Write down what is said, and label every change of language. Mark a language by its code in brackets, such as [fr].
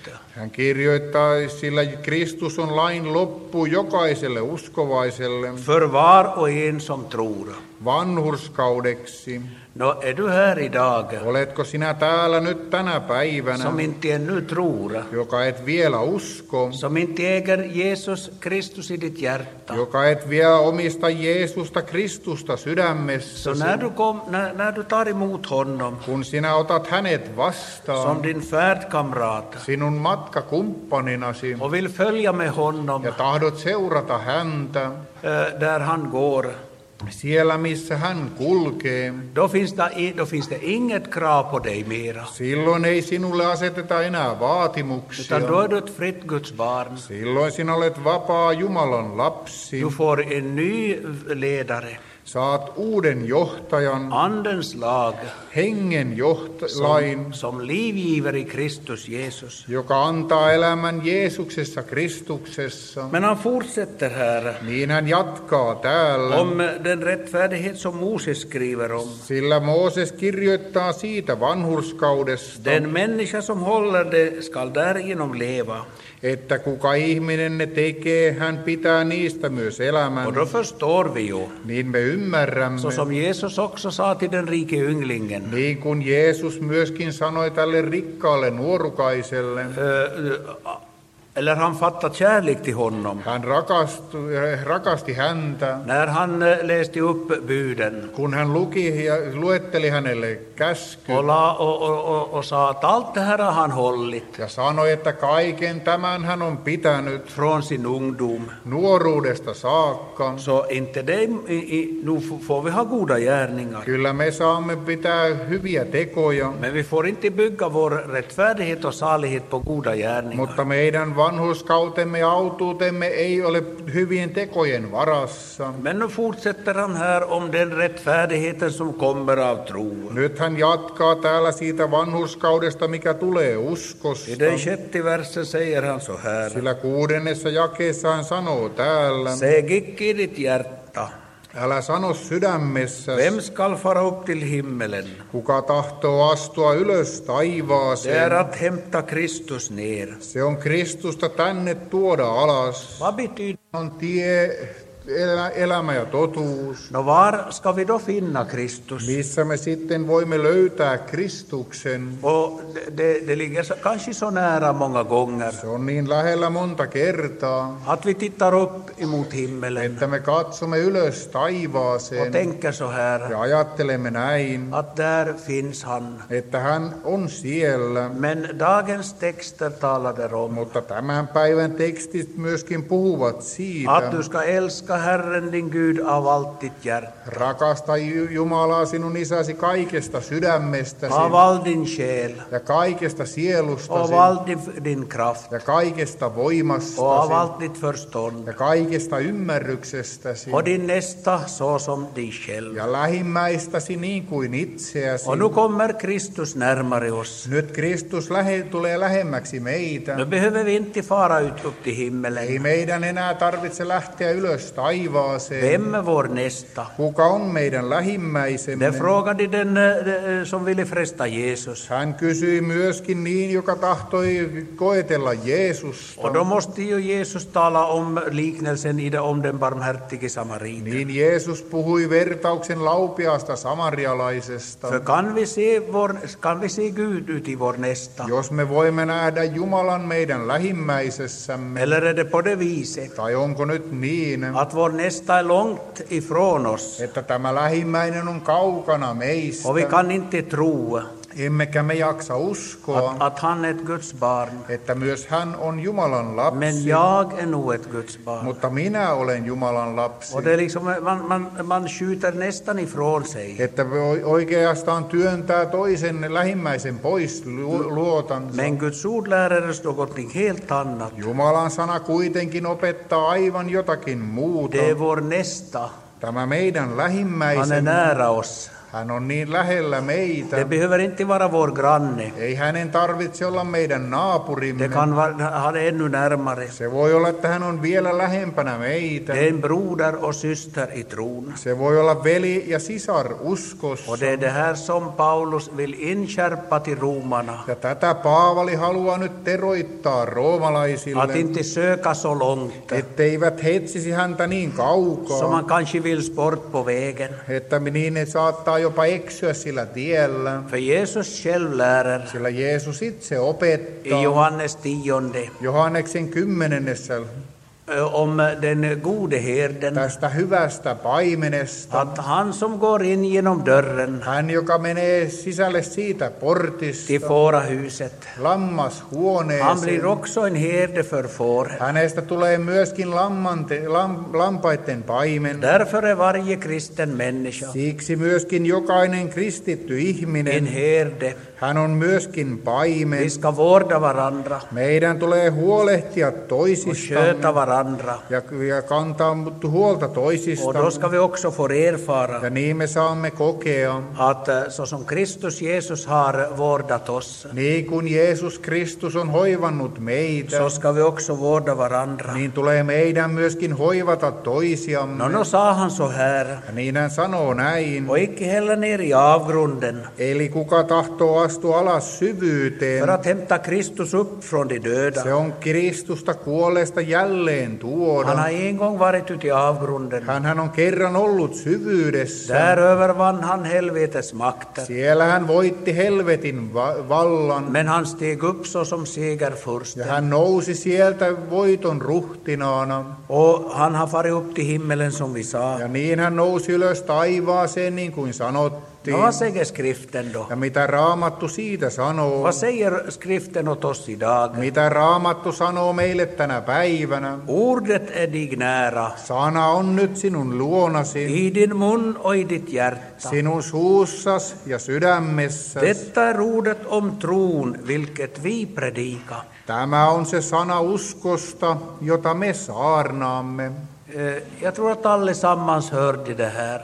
[fi] Hän kirjoittaa, sillä Kristus on lain loppu jokaiselle uskovaiselle. [sv] För var och en som tror. [fi] Vanhurskaudeksi. [sv] No, är du här idag? [fi] Oletko sinä täällä nyt tänä päivänä? [sv] Som inte ännu tror. [fi] Joka et vielä usko. [sv] Som inte äger Jesus Kristus i ditt hjärta. [fi] Joka et vielä omista Jeesusta Kristusta sydämessä. [sv] So, när du tar emot honom. [fi] Kun sinä otat hänet vastaan. [sv] Som din färdkamrat. [fi] Sinun matkakumppaninasi. [sv] Och vill följa med honom. [fi] Ja tahdot seurata häntä. [sv] Där han går. [fi] Siellä, missä hän kulkee. [sv] Då finns det inget krav på dig mera. [fi] Silloin ei sinulle aseteta enää vaatimuksia. [sv] Utan då är du ett fritt Guds barn. [fi] Silloin sinä olet vapaa Jumalan lapsi. [sv] Du får en ny ledare. [fi] Saat uuden johtajan. [sv] Andens lag. [fi] Hengen johtolain. [sv] Som livgiveri Kristus Jesus. [fi] Joka antaa elämän Jeesuksessa Kristuksessa. [sv] Men han fortsätter här. [fi] Niin hän jatkaa täällä. [sv] Om den rättfärdighet som Moses skriver om. [fi] Sillä Mooses kirjoittaa siitä vanhurskaudesta. [sv] Den människa som håller det skall därigenom leva. [fi] Että kuka ihminen ne tekee, hän pitää niistä myös elämän. [sv] Och då förstår vi ju. [fi] Niin me ymmärrämme. [sv] Så som Jesus också sa till den rike ynglingen. [fi] Niin kuin Jeesus myöskin sanoi tälle rikkaalle nuorukaiselle. [sv] Eller han fattat kärlek till honom. [fi] Hän rakasti häntä. [sv] När han läste upp buden. [fi] Kun hän luki ja luetteli hänelle käsky. Osaat [sv] allt det här han hållit. [fi] Ja sanoi, että kaiken tämän hän on pitänyt. [sv] Från sin ungdom. [fi] Nuoruudesta saakka. [sv] Så inte dem, nu får vi ha goda gärningar. [fi] Kyllä me saamme pitää hyviä tekoja. [sv] Men vi får inte bygga vår rättfärdighet och salighet på goda gärningar. [fi] Mutta meidän vanhurskautemme ja autuutemme ei ole hyvien tekojen varassa. [sv] Men nu fortsätter han här om den rättfärdigheten som kommer av tro. [fi] Nyt hän jatkaa täällä siitä vanhurskaudesta, mikä tulee uskosta. [sv] I den sjätte versen säger han så här. [fi] Sillä kuudennessa jakeessa hän sanoo täällä. [sv] Se gickidit järta. [fi] Älä sano sydämessä. [sv] Vem skall fara upp till himmelen? [fi] Kuka tahtoo astua ylös taivaaseen? [sv] Det är att hämta Kristus ner. [fi] Se on Kristusta tänne tuoda alas. [sv] Vad betyder [fi] on tie, elämä ja totuus? [sv] No var ska vi då finna Kristus? [fi] Missä me sitten voimme löytää Kristuksen? [sv] Och det ligger kanske så nära många gånger. [fi] Se on niin lähellä monta kertaa. [sv] Att vi tittar upp emot himmelen. [fi] Että me katsomme ylös taivaaseen. [sv] Och tänker så här. [fi] Ja ajattelemme näin. [sv] Att där finns han. [fi] Että hän on siellä. [sv] Men dagens texter talar om. [fi] Mutta tämän päivän tekstit myöskin puhuvat siitä. [sv] Att du ska älska Herren din Gud av allt ditt hjärta. [fi] Rakasta Jumalaa sinun isäsi kaikesta sydämestäsi. [sv] Av all din själ. [fi] Ja kaikesta sielustasi. [sv] Av all din kraft. [fi] Ja kaikesta voimastasi. [sv] Av all ditt förstånd. [fi] Ja kaikesta ymmärryksestäsi. [sv] Och din nästa så som dig själv. [fi] Ja lähimmäistäsi niin kuin itseäsi. [sv] Och nu kommer Kristus närmare oss. [fi] Nyt Kristus tulee lähemmäksi meitä. [sv] Nu behöver vi inte fara ut upp till himmelen. [fi] Ei meidän enää tarvitse lähteä ylös taivaaseen. [sv] Vem är vår nästa? [fi] Kuka on meidän lähimmäisemme? [sv] De frågade den som ville fresta Jesus. [fi] Hän kysyi myöskin niin, joka tahtoi koetella Jeesusta. [sv] Och då måste ju Jesus tala om liknelsen i det om den barmhärtige samariten. [fi] Niin Jeesus puhui vertauksen laupiasta samarialaisesta. [sv] För kan vi se Gud ut i vår nästa? [fi] Jos me voimme nähdä Jumalan meidän lähimmäisessämme. [sv] Eller är det på det viset? [fi] Tai onko nyt niin? [sv] Att vår nästa är långt ifrån oss. [fi] Että tämä lähimmäinen on kaukana meistä. [sv] Och vi kan inte tro. [fi] Emmekä me jaksa uskoa. [sv] Att han är Guds barn. [fi] Että myös hän on Jumalan lapsi. [sv] Men jag är nu ett Guds barn. [fi] Mutta minä olen Jumalan lapsi. [sv] Och det är liksom, man skjuter nästan ifrån sig. [fi] Että oikeastaan työntää toisen lähimmäisen pois luotansa. [sv] Men Guds ord lärare stå gottning helt annat. [fi] Jumalan sana kuitenkin opettaa aivan jotakin muuta. [sv] Det är vår nästa. [fi] Tämä meidän lähimmäisemme, hän on niin lähellä meitä. [sv] Det behöver inte vara vår granne. [fi] Ei hänen tarvitse olla meidän naapurimme. [sv] Det kan vara ännu närmare. [fi] Se voi olla, että hän on vielä lähempänä meitä. [sv] Det är en broder och syster i tron. [fi] Se voi olla veli ja sisar uskossa. [sv] Och det är det här som Paulus vill inskärpa till romarna. [fi] Ja tätä Paavali haluaa nyt teroittaa roomalaisille. [sv] Att inte söka så långt. [fi] Etteivät hetsisi häntä niin kaukaa. [sv] Som man kanske vill sport på vägen. [fi] Että niin ne saat tai jopa eksyä sillä tiellä. [sv] För Jesus själv lärer. [fi] Sillä Jeesus itse opettaa. [sv] I Johannes 10. [fi] Johanneksen 10. [sv] Om den gode herden. [fi] Tästä hyvästä paimenesta. [sv] Att han som går in genom dörren. [fi] Hän, joka menee sisälle siitä portista. [sv] Till fårahuset. [fi] Lammashuoneeseen. [sv] Han blir också en herde för får. [fi] Hänestä tulee myöskin lampaiden paimen. [sv] Därför är varje kristen människa. [fi] Siksi myöskin jokainen kristitty ihminen. [sv] En herde. [fi] Hän on myöskin paimen. [sv] Vi ska vårda varandra. [fi] Meidän tulee huolehtia toisistamme. Ja kantaa huolta toisistamme. [sv] Och då ska vi också få erfara. [fi] Ja niin me saamme kokea. [sv] Att så som Kristus Jesus har vårdat oss. [fi] Niin kun Jeesus Kristus on hoivannut meitä. [sv] Så ska vi också vårda varandra. [fi] Niin tulee meidän myöskin hoivata toisiamme. [sv] No [fi] saahan [sv] så här. [fi] Ja niin hän sanoo näin. [sv] Och icke heller ner i avgrunden. [fi] Eli kuka tahtoo astua alas syvyyteen. [sv] För att hämta Kristus upp från de döda. [fi] Se on Kristusta kuolleesta jälleen. [sv] Han har en gång varit ute i avgrunden. [fi] Hän on kerran ollut syvyydessä. [sv] Där övervann han helvetes makter. [fi] Siellä hän voitti helvetin vallan. [sv] Men han steg upp så som segerfursten. [fi] Ja hän nousi sieltä voiton ruhtinaana. [sv] Och han har farit upp till himmelen som vi sa. [fi] Ja niin hän nousi ylös taivaaseen niin kuin sanottiin. [sv] No, vad säger skriften då? [fi] Ja mitä Raamattu siitä sanoo? [sv] Vad säger skriften åt oss idag? [fi] Mitä Raamattu sanoo meille tänä päivänä? [sv] Ordet är dig nära. [fi] Sana on nyt sinun luonasi. [sv] I din mun och i ditt hjärta. [fi] Sinun suussas ja sydämessä. [sv] Detta är ordet om tron, vilket vi predikar. [fi] Tämä on se sana uskosta, jota me saarnaamme. [sv] Jag tror att allesammans hörde det här.